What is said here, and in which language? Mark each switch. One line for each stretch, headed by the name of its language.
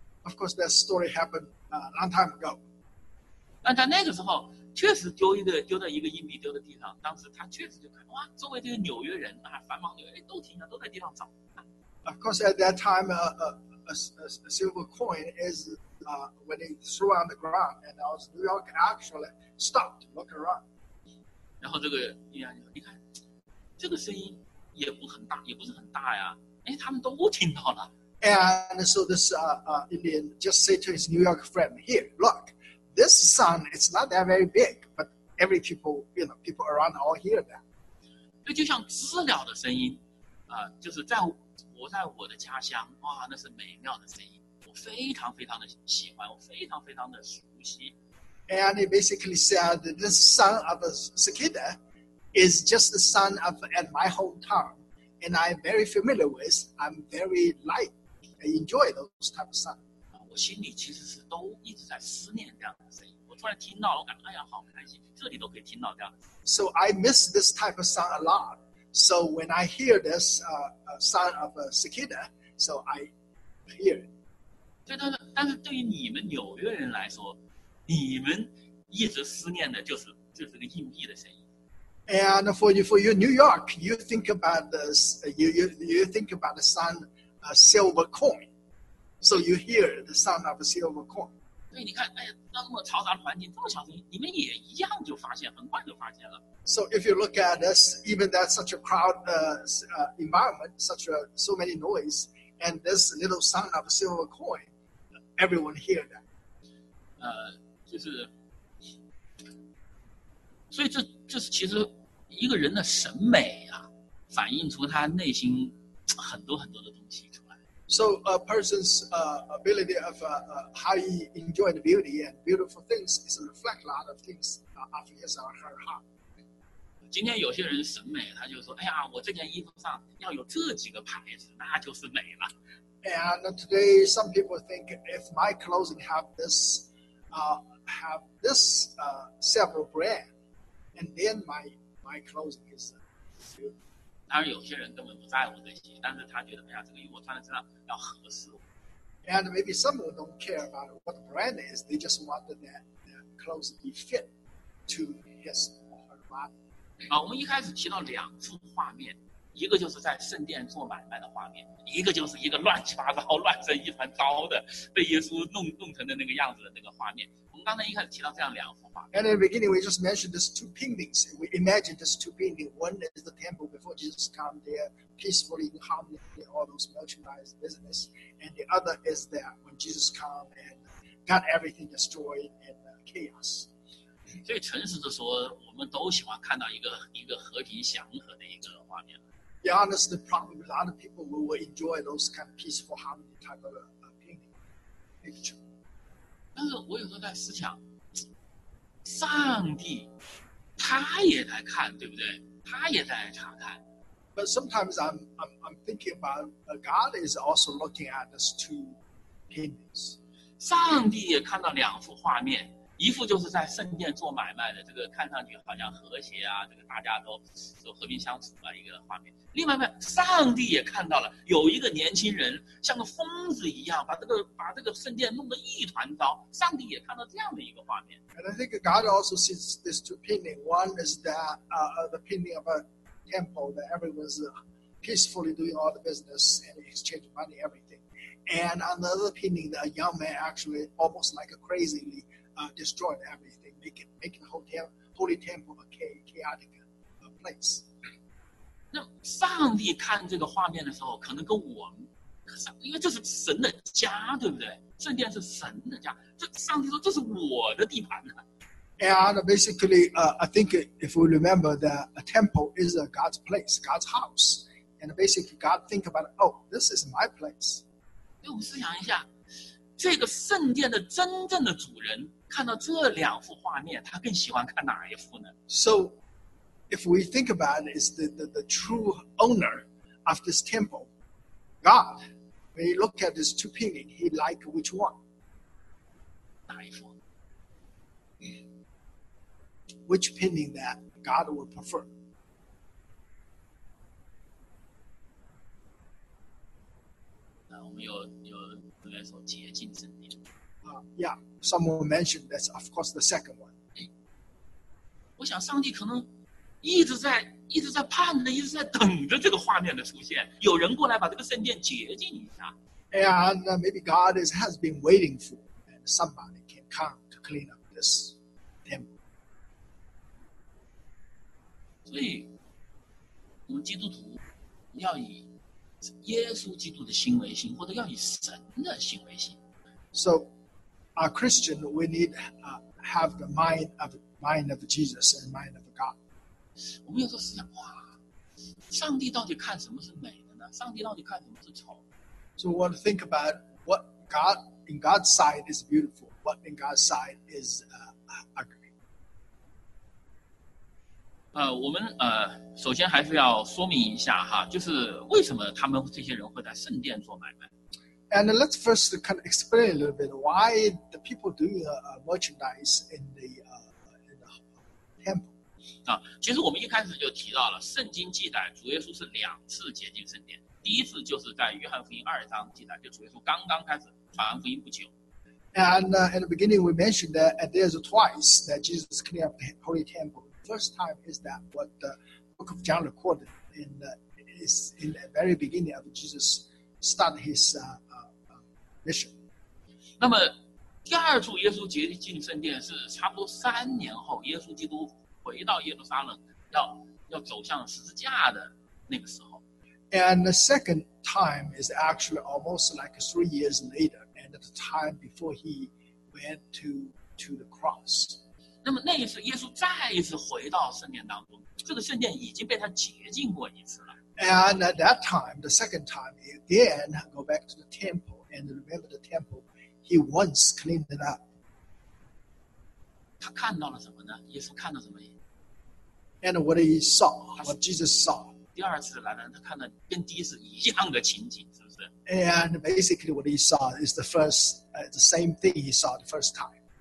English: Of course, that story happened a long time ago.
Chinese: 但在那个时候，确实丢一个硬币丢在地上，当时他确实就看哇，周围这些纽约人啊，繁忙纽约，哎，都停下，都在地上找。
English: Of course, at that time, a silver coin is. When they threw on the ground, and New York actually stopped to look around.
Chinese: 然后这个印第安说：“你看，这个声音也不很大，也不是很大呀。哎，他们都听到了。”
English: And so this Indian just said to his New York friend, "Here, look, this sound is not that very big, but every people around all hear that."
Chinese: 这就像知了的声音，就是在我在我的家乡，哇，那是美妙的声音。非常非常的喜欢，我非常非常的熟悉。
English: And he basically said, "The sound of a cicada is just the sound of at my hometown, and I'm very familiar with. I'm very like, enjoy those type of sound."
Chinese: 我心里其实是都一直在思念这样的声音。我突然听到了，我感觉哎呀，好开心，这里都可以听到这样的。
English: So I miss this type of sound a lot. So when I hear this sound of a cicada, so I hear it.
Chinese: 但是对于你们纽约人来说，你们一直思念的就是个硬币的声音。
English: And for you New York, you think about this, you think about the sound of silver coin, so you hear the sound of a silver coin.
Chinese: 对，你看，哎呀，那么嘈杂的环境，这么小声，你们也一样就发现，很快就发现了。
English: So if you look at us, even that such a crowd environment, such a so many noise, and this little sound of a silver coin, everyone hear that.
Chinese: 所以这是其实一个人的审美啊，反映出他内心很多很多的东西出来。
English: So a person's ability of how he enjoys the beauty and beautiful things is reflect a lot of things of his or her heart.
Chinese: 今天有些人审美，他就说：“哎呀，我这件衣服上要有这几个牌子，那就是美了。”
English: And today, some people think if my clothing have this several brand. And then my clothing is beautiful.
Chinese: 当然有些人根本不在乎这些，但是他觉得，哎呀，这个衣服我穿在身上要合适我。
English: And maybe some people don't care about what the brand is, they just want that clothes be fit to his or her body.
Chinese: 我们一开始提到两处画面，一个就是在圣殿做买卖的画面，一个就是一个乱七八糟、乱成一团糟的被耶稣弄成的那个样子的那个画面。刚才一开始提到这样两幅画。
English: And in the beginning, we just mentioned these two paintings. We imagined these two paintings. One is the temple before Jesus comes there, peacefully in harmony, all those merchandise business. And the other is there when Jesus comes and got everything destroyed in chaos.
Chinese: 所以诚实的说，我们都喜欢看到一个和平祥和的一个画面。
English: Yeah, honestly, probably a lot of people will enjoy those kind of peaceful harmony type of painting picture.
Chinese: 但是我有时候在思想，上帝他也在看，对不对？他也在查看。
English: But sometimes I'm thinking about God is also looking at these two paintings.
Chinese: 上帝也看到两幅画面，一幅就是在圣殿做买卖的，这个看上去好像和谐啊，这个大家都和平相处啊一个画面。另外一面，上帝也看到了有一个年轻人像个疯子一样，把这个圣殿弄得一团糟。上帝也看到这样的一个画面。
English: And I think God also sees these two paintings. One is that the painting of a temple that everyone's peacefully doing all the business and exchange money everything. And another painting that a young man actually almost like crazily destroyed everything, making the holy temple a chaotic place.
Chinese: 那上帝看这个画面的时候，可能跟我们，因为这是神的家，对不对？圣殿是神的家，这上帝说这是我的地盘呢。
English: And basically, I think if we remember that a temple is a God's place, God's house, and basically God think about, oh, this is my place.
Chinese: 那我思想一下，这个圣殿的真正的主人看到这两幅画面，他更喜欢看哪一幅呢
English: ？So. If we think about it, it's the true owner of this temple, God. When you look at this two painting, he like which one?
Chinese: 哪一幅？
English: Which painting that God would prefer?
Chinese: 那我们有应该说洁净圣殿。
English: Yeah, someone mentioned that's of course the second one.
Chinese: 我想上帝可能。一直在盼着，一直在等着这个画面的出现，有人过来把这个圣殿洁净一下。
English: And maybe God has been waiting for and somebody can come to clean up this temple.
Chinese: 所以，我们基督徒要以耶稣基督的心为心，或者要以神的心为心。
English: So, a Christian, we need have the mind of Jesus and mind of God.
Chinese: 我们有时候思想，哇，上帝到底看什么是美的呢？上帝到底看什么是丑
English: ？So we want to think about what God in God's sight is beautiful, what in God's sight is ugly.
Chinese: 我们首先还是要说明一下哈，就是为什么他们这些人会在圣殿做买卖
English: ？And let's first kind of explain a little bit why the people doing merchandise in the temple.
Chinese: 其实我们一开始就提到了圣经记载主耶稣是两次洁净圣殿第一次就是在约翰福音二章记载就主耶稣刚刚开始传福音不久
English: And in the beginning we mentioned that there's twice that Jesus cleaned up the holy temple First time is that what the book of John recorded in the very beginning of Jesus started his mission
Chinese: 那么第二处耶稣洁净圣殿是差不多三年后，耶稣基督回到耶路撒冷，要走向十字架的那个时候。
English: And the second time is actually almost like 3 years later, and at the time before he went to the cross.
Chinese: 那么那一次，耶稣再一次回到圣殿当中，这个圣殿已经被他洁净过一次了。
English: And at that time, the second time, he again go back to the temple and remember the temple. He once cleaned it up.
Chinese: 他看到了什么呢？耶稣看到什么
English: ？And what he saw, what Jesus saw.
Chinese: 第二次来了，他看到跟第一次一样的情景，是不是
English: ？And basically, what he saw is the first, the same thing he saw the first time.